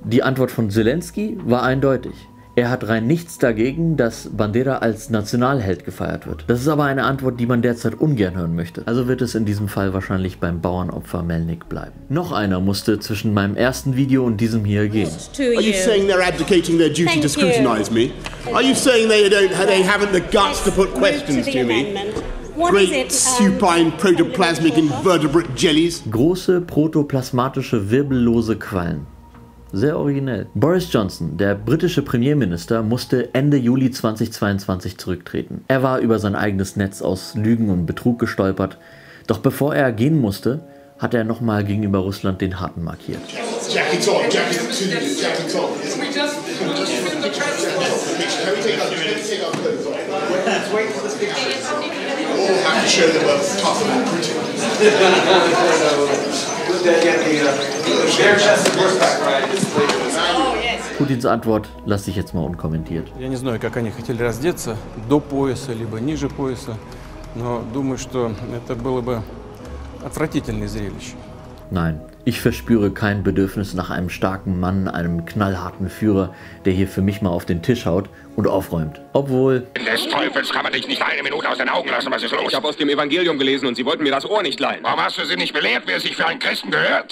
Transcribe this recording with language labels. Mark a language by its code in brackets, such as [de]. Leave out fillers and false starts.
[de] Die Antwort von Zelensky war eindeutig. Er hat rein nichts dagegen, dass Bandera als Nationalheld gefeiert wird. Das ist aber eine Antwort, die man derzeit ungern hören möchte. Also wird es in diesem Fall wahrscheinlich beim Bauernopfer Melnyk bleiben. Noch einer musste zwischen meinem ersten Video und diesem hier gehen. [en] Are you saying they're abdicating their duty to scrutinize me? Are you saying they haven't the guts to put questions to me? Great supine protoplasmic invertebrate jellies. [de] Große protoplasmatische wirbellose Quallen. Sehr originell. Boris Johnson, der britische Premierminister, musste Ende Juli 2022 zurücktreten. Er war über sein eigenes Netz aus Lügen und Betrug gestolpert. Doch bevor er gehen musste, hat er nochmal gegenüber Russland den Harten markiert. Putins Antwort lasse ich jetzt mal unkommentiert. [ru] Я не знаю, как они хотели раздеться, до пояса либо ниже пояса, но думаю, что это было бы отвратительное зрелище. [de] Nein, ich verspüre kein Bedürfnis nach einem starken Mann, einem knallharten Führer, der hier für mich mal auf den Tisch haut und aufräumt. Obwohl... Des Teufels kann man dich nicht eine Minute aus den Augen lassen, was ist los? Ich habe aus dem Evangelium gelesen und sie wollten mir das Ohr nicht leihen. Warum hast du sie nicht belehrt, wer sich für einen Christen gehört?